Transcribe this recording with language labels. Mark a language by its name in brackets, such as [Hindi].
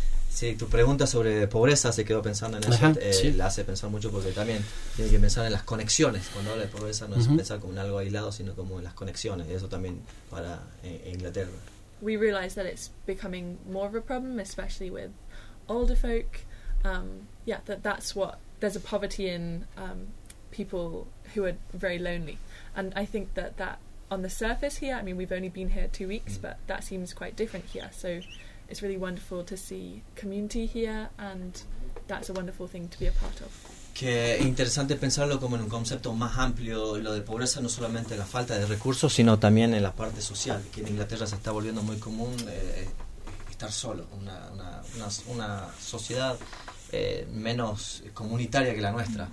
[Spanish] Sí, tu pregunta sobre pobreza se quedó pensando en eso. La hace pensar mucho porque también tiene que pensar en las conexiones. Cuando habla de pobreza no es pensar como en algo aislado, sino como en las conexiones. Y eso también para Inglaterra. [English] We realize that it's becoming more of a problem, especially with older folk. That's what there's a poverty in people who are very lonely. And I think that on the surface here, I mean, we've only been here 2 weeks, but that seems quite different here. So it's really wonderful to see community here, and that's a wonderful thing to be a part of. [Spanish] Que interesante pensarlo como en un concepto más amplio, lo de pobreza, no solamente la falta de recursos, sino también en la parte social, que en Inglaterra se está volviendo muy común estar solo, una sociedad menos comunitaria que la nuestra.